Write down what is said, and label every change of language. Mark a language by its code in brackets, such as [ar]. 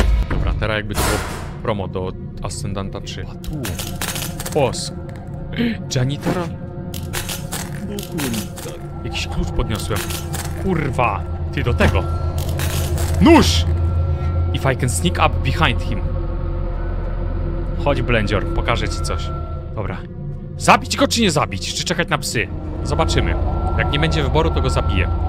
[pl] Dobra, teraz jakby to było promo do Ascendanta 3. A tu. Os. Janitora? Jakiś klucz podniosłem. Kurwa. Ty do tego. Nóż! [en] If I can sneak up behind him. [pl] Chodź, Blendior, pokażę ci coś. Dobra. Zabić go czy nie zabić? Czy czekać na psy? Zobaczymy. Jak nie będzie wyboru, to go zabiję.